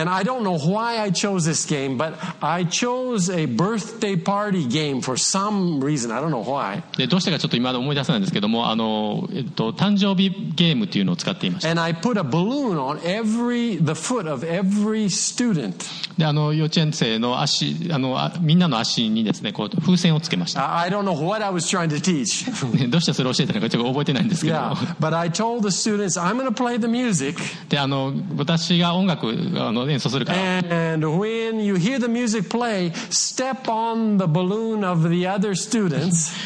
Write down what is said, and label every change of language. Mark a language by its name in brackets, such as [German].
[English] And I don't know why I chose this game, but I chose a birthday party game for some reason. I don't know why. [Japanese] で、どうしてかちょっと今思い出せないんですけども、誕生日ゲームっていうのを使っていました。 [English] And I put a balloon on the foot of every student. [Japanese] で、幼稚園生の足、みんなの足にですね、こう風船をつけました。 [English] I don't know what I was trying to teach. [Japanese] どうしてそれを教えたのかちょっと覚えてないんですけど。 [English] Yeah, but I told the students, I'm going to play the music. [Japanese] で、私が音楽演奏するから。 [English] And when you hear the music play, step on the balloon of the other students.